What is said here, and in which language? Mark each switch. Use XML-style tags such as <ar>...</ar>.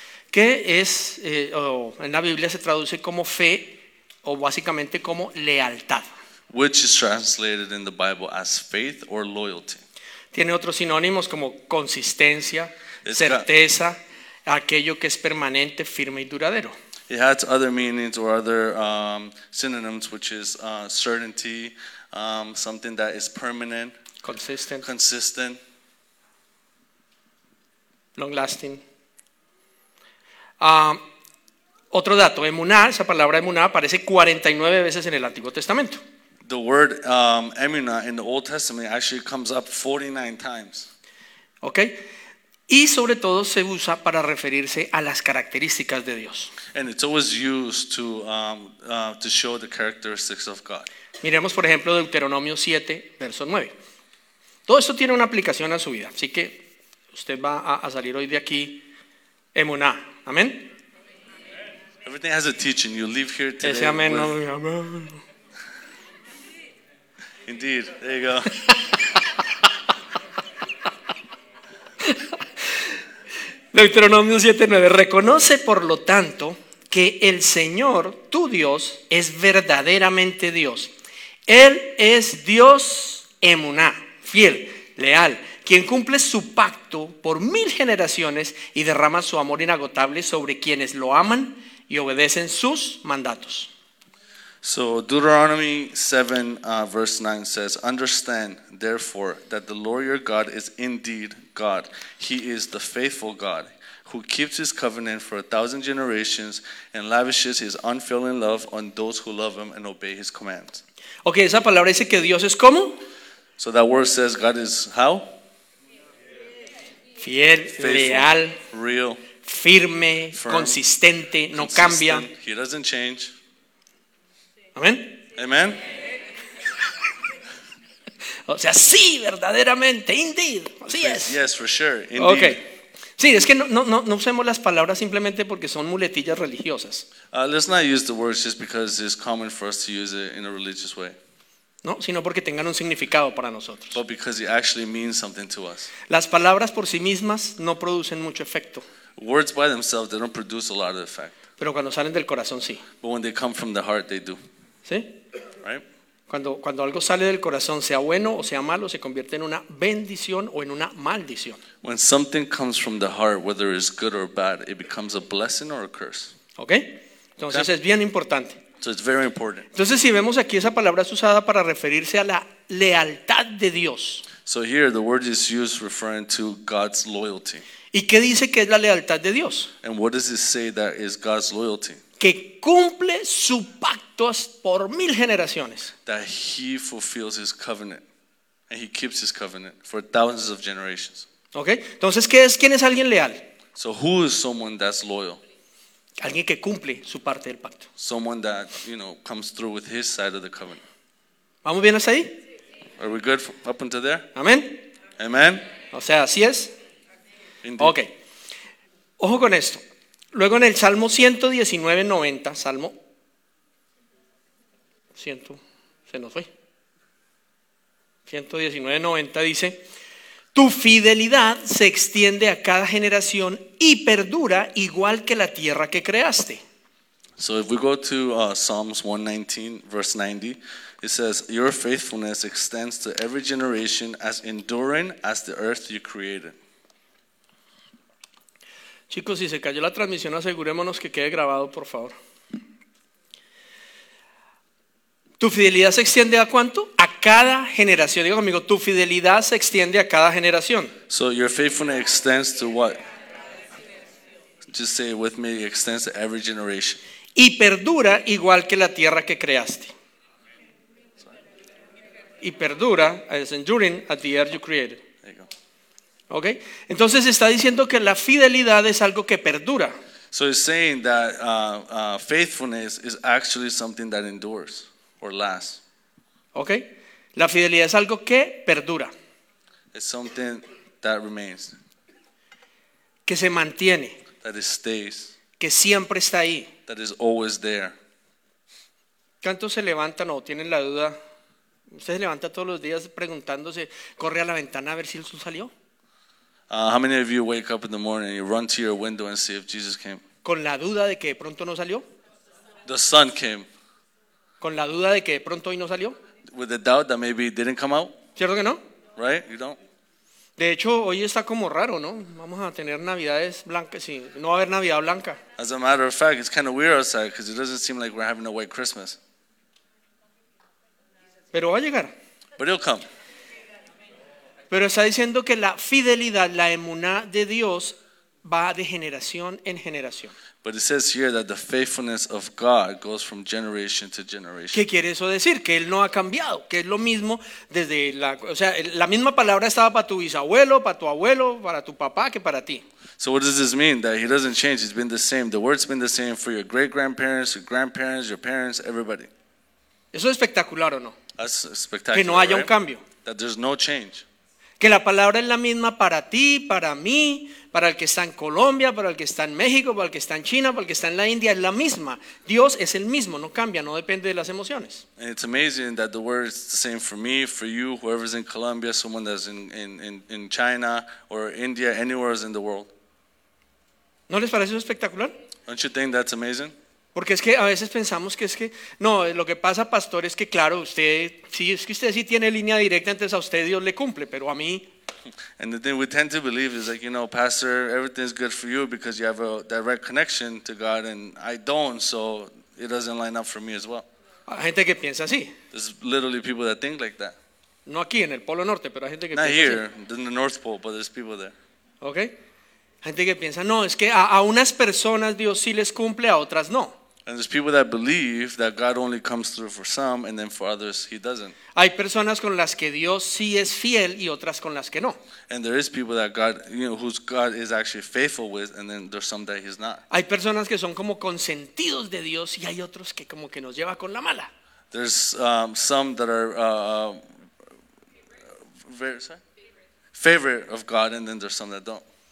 <es>Que es, en la Biblia se traduce como fe, o básicamente como lealtad.</es> <en>Which is translated in the Bible as faith or loyalty.</en> <es>Tiene otros sinónimos como consistencia, certeza, aquello que es permanente, firme y duradero.</es> <en>It has other meanings or other synonyms, which is certainty, something that is permanent, consistent, long-lasting.</en> <es>Otro dato, emuná, esa palabra emuná aparece 49 veces en el Antiguo Testamento.</es> <en>The word emuná in the Old Testament actually comes up 49 times. Okay.</en> <es>Y sobre todo se usa para referirse a las características de Dios.</es> <en>And it's always used to show the characteristics of God.</en> <es>Miremos por ejemplo Deuteronomio 7, verso 9. Todo esto tiene una aplicación a su vida, así que usted va a salir hoy de aquí emuná. Amén.</es> <en>Everything has a teaching. You leave here today.</en> <es>Ese amén, with... no, amén.</es> <en>Indeed, there you go.</en> <es>Deuteronomio 7:9. Reconoce, por lo tanto, que el Señor, tu Dios, es verdaderamente Dios. Él es Dios emuná, fiel, leal, quien cumple su pacto por mil generaciones y derrama su amor inagotable sobre quienes lo aman y obedecen sus mandatos.</es> <en>So Deuteronomy 7 verse 9 says, understand therefore that the Lord your God is indeed God. He is the faithful God who keeps his covenant for a thousand generations and lavishes his unfailing love on those who love him and obey his commands.</en> <es>Okay, esa palabra dice que Dios es como?</es> <en>So that word says God is how?</en> <es>Fiel,</es> <en>faithful,</en> <es>leal,</es> <en>real,</en> <es>firme, firm, consistente, no</es> <en>consistent,</en> <es>cambia.</es> <en>He doesn't change.</en> <es>Amén.</es> <en>Amen.</en> <es>O sea, sí, verdaderamente, indeed. Así es.</es> <en>Yes, for sure, indeed. Okay.</en> <es>Sí, es que no usemos las palabras simplemente porque son muletillas religiosas.</es> <en>Let's not use the words just because it's common for us to use it in a religious way.</en> <es>No, sino porque tengan un significado para nosotros.</es> <en>But because it actually means something to us.</en> <es>Las palabras por sí mismas no producen mucho efecto.</es> <en>Words by themselves, they don't produce a lot of effect.</en> <es>Pero cuando salen del corazón, sí.</es> <en>But when they come from the heart, they do.</en> <es>¿Sí?</es> <en>Right?</en> <es>Cuando algo sale del corazón, sea bueno o sea malo, se convierte en una bendición o en una maldición.</es> <en>When something comes from the heart, whether it's good or bad, it becomes a blessing or a curse. Okay?</en> <es>Entonces okay. Es bien importante.</es> <en>So it's very important.</en> <es>Entonces si vemos aquí esa palabra es usada para referirse a la lealtad de Dios.</es> <en>So here the word is used referring to God's loyalty.</en> <es>¿Y qué dice que es la lealtad de Dios?</es> <en>And what does it say that is God's loyalty?</en> <es>Que cumple su pacto por mil generaciones.</es> <en>That he fulfills his covenant and he keeps his covenant for thousands of generations. Okay.</en> <es>Entonces, ¿qué es? ¿Quién es alguien leal?</es> <en>So who is someone that's loyal?</en> <es>Alguien que cumple su parte del pacto.</es> <en>Someone that, you know, comes through with his side of the covenant.</en> <es>¿Vamos bien hasta ahí?</es> <en>Are we good up until there?</en> <es>Amén.</es> <en>Amen.</en> <es>O sea, así es.</es> <en>Indeed.</en> <es>Okay. Ojo con esto. Luego en el Salmo 119:90, Salmo 100, se nos fue. 119:90 dice, tu fidelidad se extiende a cada generación y perdura igual que la tierra que creaste.</es> <en>So if we go to Psalms 119 verse 90, it says, your faithfulness extends to every generation as enduring as the earth you created.</en> <es>Chicos, si se cayó la transmisión, asegurémonos que quede grabado, por favor. ¿Tu fidelidad se extiende a cuánto? A cada generación. Digo, amigo, tu fidelidad se extiende a cada generación.</es> <en>So your faithfulness extends to what? just say it with me, it extends to every generation.</en> <es>Y perdura igual que la tierra que creaste. Y perdura,</es> <en>as enduring as the earth you created. There you go. Okay?</en> <es>Entonces está diciendo que la fidelidad es algo que perdura.</es> <en>So it's saying that faithfulness is actually something that endures or lasts. Okay?</en> <es>La fidelidad es algo que perdura.</es> <en>It's something that remains.</en> <es>Que se mantiene.</es> <en>That it stays.</en> <es>Que siempre está ahí.</es> <en>That is always there.</en> <es>¿Cuántos se levantan o tienen la duda? Usted se levanta todos los días preguntándose, corre a la ventana a ver si el sol salió.</es> <en>How many of you wake up in the morning and you run to your window and see if Jesus came?</en> <es>Con la duda de que de pronto no salió.</es> <en>The sun came.</en> <es>Con la duda de que de pronto hoy no salió.</es> <en>With the doubt that maybe it didn't come out.</en> <es>¿Cierto que no?</es> <en>Right? You don't.</en> <es>De hecho, hoy está como raro, ¿no? Vamos a tener Navidades blancas, sí. No va a haber Navidad blanca.</es> <en>As a matter of fact, it's kind of weird outside because it doesn't seem like we're having a white Christmas.</en> <es>Pero va a llegar.</es> <en>But it'll come.</en> <es>Pero está diciendo que la fidelidad, la emuná de Dios, va de generación en generación.</es> <en>But it says here that the faithfulness of God goes from generation to generation.</en> <es>¿Qué quiere eso decir? Que él no ha cambiado, que es lo mismo desde la, o sea, la misma palabra estaba para tu bisabuelo, para tu abuelo, para tu papá, que para ti.</es> <en>So what does this mean? That he doesn't change, he's been the same. The word's been the same for your great-grandparents, your grandparents, your parents, everybody.</en> <es>¿Eso es espectacular o no?</es> <en>That's spectacular,</en> <es>que no haya</es> <en>right?</en> <es>un cambio.</es> <en>That there's no change.</en> <es>Que la palabra es la misma para ti, para mí, para el que está en Colombia, para el que está en México, para el que está en China, para el que está en la India, es la misma. Dios es el mismo, no cambia, no depende de las emociones.</es> <en>And it's amazing that the word is the same for me, for you, whoever's in Colombia, someone that's in China or India, anywhere else in the world.</en> <es>¿No les parece espectacular?</es> <en>Don't you think that's amazing?</en> <es>Porque es que a veces pensamos que es que, no, lo que pasa, pastor, es que claro, usted, sí, es que usted sí tiene línea directa, entonces a usted Dios le cumple, pero a mí.</es> <en>And the thing we tend to believe is like, you know, pastor, everything's good for you because you have a direct connection to God, and I don't, so it doesn't line up for me as well.</en> <es>Hay gente que piensa así.</es> <en>There's literally people that think like that.</en> <es>No aquí, en el Polo Norte, pero hay gente que</es> <en>Not</en> <es>piensa</es> <en>here,</en> <es>así.</es> <en>Not here, in the North Pole, but there's people there. Okay.</en> <es>Gente que piensa, no, es que a unas personas Dios sí les cumple, a otras no.</es> <en>And there's people that believe that God only comes through for some, and then for others He doesn't.</en> <es>Hay personas con las que Dios sí es fiel y otras con las que no.</es> <en>And there is people that God, you know, whose God is actually faithful with, and then there's some that He's not.</en> <es>Hay personas que son como consentidos de Dios y hay otros que como que nos lleva con la mala.</es> <en>There's some that are favorite of God, and then there's some that don't.</en>